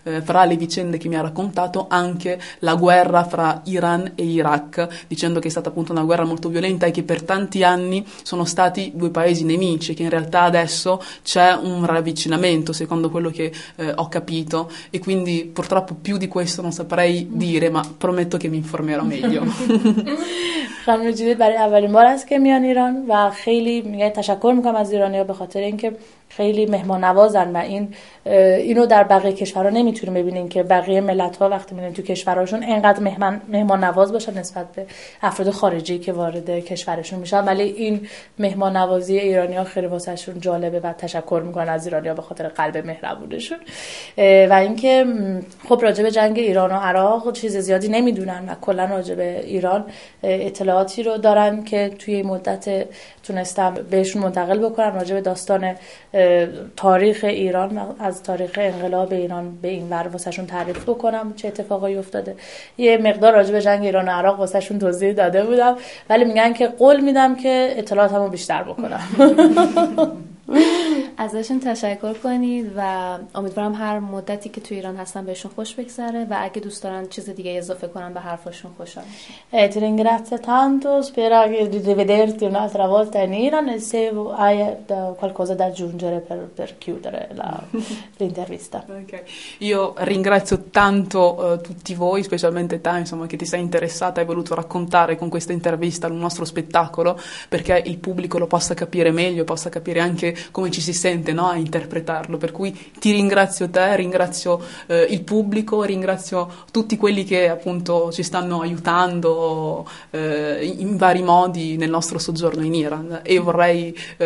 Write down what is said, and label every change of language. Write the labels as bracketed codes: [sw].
[it] fra le vicende che mi ha raccontato anche la guerra fra Iran e Iraq, dicendo che è stata appunto una guerra molto violenta e che per tanti anni sono stati due paesi nemici, che in realtà adesso c'è un ravvicinamento, secondo quello che ho capito, e quindi purtroppo più di questo non saprei dire, ma prometto che mi informerò meglio. [fa] خانم جیده برای اولین بار است که میان ایران و خیلی میگه تشکر میکنم از ایرانی‌ها به خاطر اینکه خیلی مهمان نوازن و اینو در بقیه کشورها نمیتونیم ببینیم که بقیه ملت‌ها وقتی میرن تو کشورهاشون اینقدر مهمان نواز باشن نسبت به افراد خارجی که وارد کشورشون میشن، ولی این مهمان نوازی ایرانی‌ها خیلی واسهشون جالبه و تشکر میکنن از ایرانی‌ها به خاطر قلب مهربونشون. و اینکه خب راجع به جنگ ایران و عراق چیز زیادی نمیدونن و کلا راجع به ایران اطلاعاتی رو دارن که توی مدت تونستم بهشون منتقل بکنم راجع به داستان تاریخ ایران و از تاریخ انقلاب ایران به این ور واسهشون تعریف بکنم چه اتفاقایی افتاده. یه مقدار راجع به جنگ ایران و عراق واسهشون توضیح داده بودم، ولی میگن که قول میدم که اطلاعاتمو بیشتر بکنم. ازشون تشکر کنید و امیدوارم هر مدتی که تو ایران هستن بهشون خوش بگذره و اگه دوست دارن چیز دیگه اضافه کنن به حرفاشون خوشحال میشم. [it] Etre grazie tanto, spero di rivederti un'altra volta in Iran e se hai qualcosa da aggiungere per chiudere l'intervista. [en] Okay. [it] Io ringrazio tanto tutti voi, specialmente te, insomma, che ti sei interessata e hai voluto raccontare con questa intervista il nostro spettacolo, perché il pubblico lo possa capire meglio, possa capire anche come ci si sente, no, a interpretarlo, per cui ti ringrazio te, ringrazio il pubblico, ringrazio tutti quelli che appunto ci stanno aiutando in vari modi nel nostro soggiorno in Iran, e vorrei